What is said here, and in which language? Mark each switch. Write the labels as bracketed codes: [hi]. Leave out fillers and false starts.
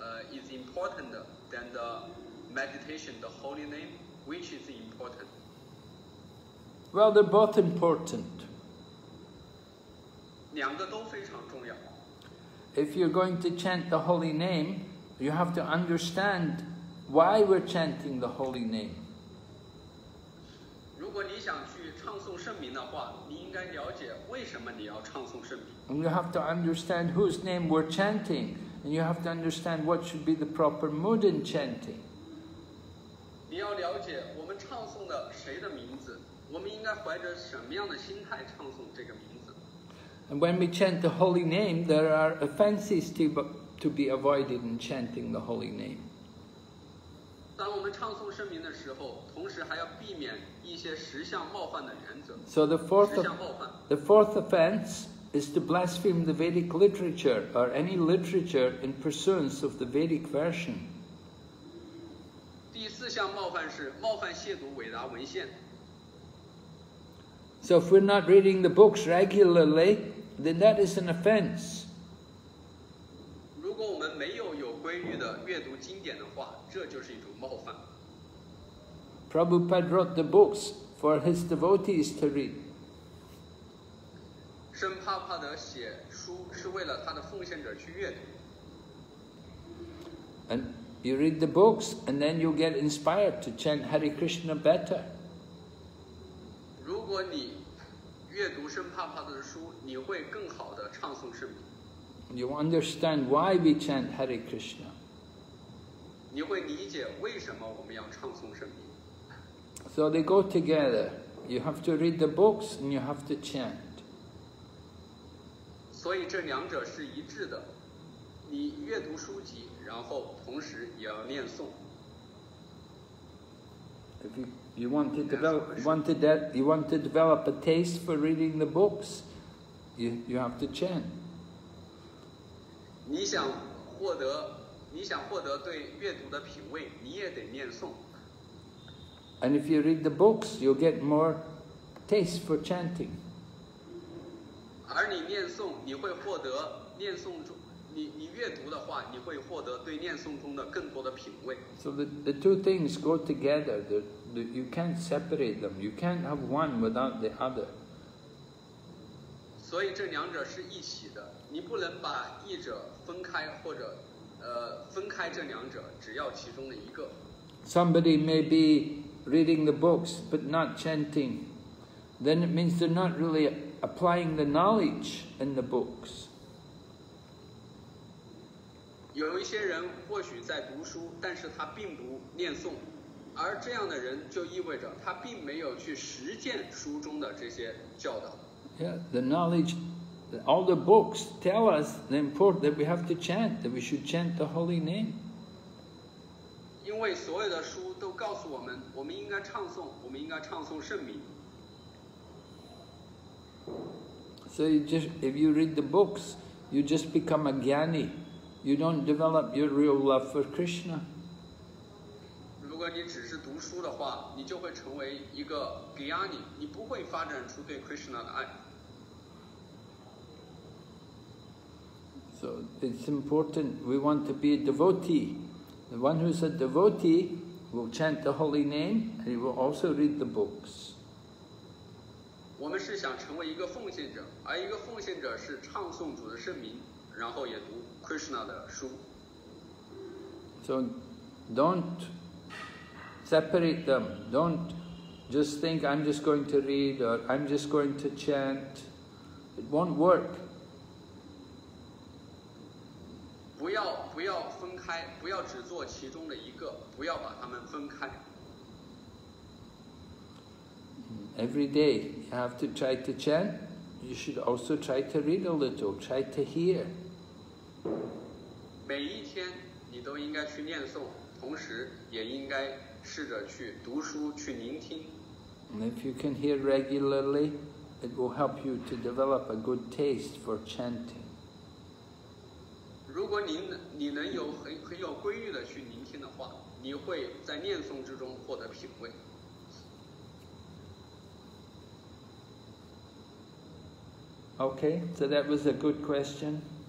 [en] Is important than the meditation, the holy name, which is important? Well, they're both important. [zh] 两个都非常重要。 [en] If you're going to chant the holy name, you have to understand why we're chanting the holy name. [zh] 如果你想去唱诵圣名的话，你应该了解为什么你要唱诵圣名。 [en] And you have to understand whose name we're chanting. And you have to understand what should be the proper mood in chanting. [zh] 你要了解我们唱诵的谁的名字，我们应该怀着什么样的心态唱诵这个名字。 [en] And when we chant the holy name, there are offenses to be avoided in chanting the holy name. [zh] 当我们唱诵圣名的时候，同时还要避免一些实相冒犯的原则。 [en] So the fourth offense. Is to blaspheme the Vedic literature or any literature in pursuance of the Vedic version. [zh] 第四项冒犯是冒犯亵渎伟达文献。 [en] So if we're not reading the books regularly, then that is an offense. [zh] 如果我们没有有规律的阅读经典的话，这就是一种冒犯。 [en] Prabhupada wrote the books for his devotees to read. [zh] 圣帕帕德写书是为了他的奉献者去阅读。 [en] And you read the books, and then you get inspired to chant Hare Krishna better. [zh] 如果你阅读圣帕帕德的书，你会更好的唱诵圣名。 [en] You understand why we chant Hare Krishna. [zh] 你会理解为什么我们要唱诵圣名。 [en] So they go together. You have to read the books, and you have to chant. [zh] 所以这两者是一致的，你阅读书籍，然后同时也要念诵。 [en] If you want to develop a taste for reading the books, you have to chant. [zh] 你想获得对阅读的品味，你也得念诵。 [en] And if you read the books, you'll get more taste for chanting. [zh] 而你念诵，你会获得念诵中，你阅读的话，你会获得对念诵中的更多的品味。 [en] So the two things go together. You can't separate them. You can't have one without the other. [zh] 所以这两者是一起的，你不能把一者分开，或者分开这两者，只要其中的一个。 [en] Somebody may be reading the books but not chanting. then it means they're not really applying the knowledge in the books. [zh] 有一些人或许在读书，但是他并不念诵，而这样的人就意味着他并没有去实践书中的这些教导。 [en] Yeah, the knowledge, all the books tell us the importance that we have to chant, that we should chant the holy name. [zh] 因为所有的书都告诉我们，我们应该唱诵，我们应该唱诵圣名。 [en] So you just, if you read the books, you just become a gyani. You don't develop your real love for Krishna. [zh] 如果你只是读书的话，你就会成为一个 gyani， 你不会发展出对 Krishna 的爱。 [en] So it's important. We want to be a devotee. The one who's a devotee will chant the holy name, and he will also read the books. [zh] 我们是想成为一个奉献者，而一个奉献者是唱诵主的圣名，然后也读 Krishna 的书。 [en] So don't separate them. Don't just think I'm just going to read or I'm just going to chant. It won't work. [zh] 不要分开，不要只做其中的一个，不要把它们分开。 [en] Every day you have to try to chant. You should also try to read a little, try to hear. [zh] 每一天你都应该去念诵，同时也应该试着去读书，去聆听。 [en] And if you can hear regularly, it will help you to develop a good taste for chanting. [zh] 如果你能有很有规律的去聆听的话，你会在念诵之中获得品味。 [en] Okay, so that was a good question.